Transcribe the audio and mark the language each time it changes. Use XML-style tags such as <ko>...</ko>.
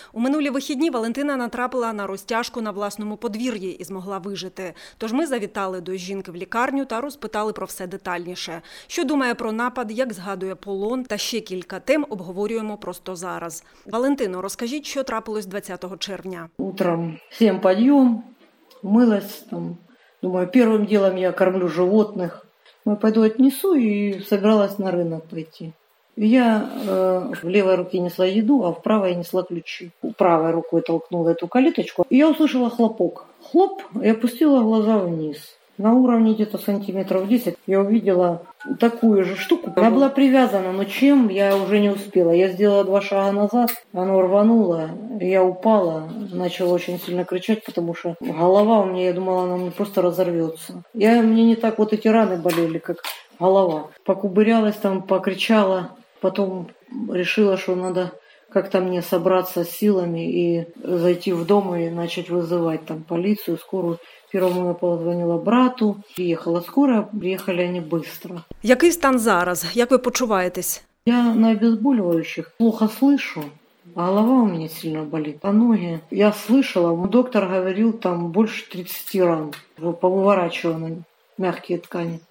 <uk>У минулі вихідні Валентина натрапила на розтяжку на власному подвір'ї і змогла вижити. Тож ми завітали до жінки в лікарню та розпитали про все детальніше. Що думає про напад, як згадує полон та ще кілька тем обговорюємо просто зараз. Валентино, розкажіть, що трапилось 20 червня. Утром всім підйом.</uk> <ru>Мылась там, думаю, первым делом я кормлю животных. Ну, пойду отнесу и собиралась на рынок пойти. Я в левой руке несла еду, а в правой несла ключи. Правой рукой толкнула эту калиточку. И я услышала хлопок. Хлоп, и опустила глаза вниз. На уровне где-то сантиметров 10 я увидела такую же штуку. Она была привязана, но чем, я уже не успела. Я сделала 2 шага назад, оно рвануло, я упала, начала очень сильно кричать, потому что голова у меня, я думала, она мне просто разорвется. Я, мне не так вот эти раны болели, как голова. Покубырялась там, покричала, потом решила, что надо как-то мне собраться с силами и зайти в дом и начать вызывать там полицию, скорую. Первому я позвонила брату,</ru> <uk>приїхала скоро, приїхали вони швидко. Який стан зараз? Як ви почуваєтесь?</uk> <ru>Я на обезболюваючих плохо слышу, а голова у мене сильно болить, а ноги. Я слышала,</ru> <uk>доктор говорив, там більше 30 ран, повиворачувані м'які ткані.</uk>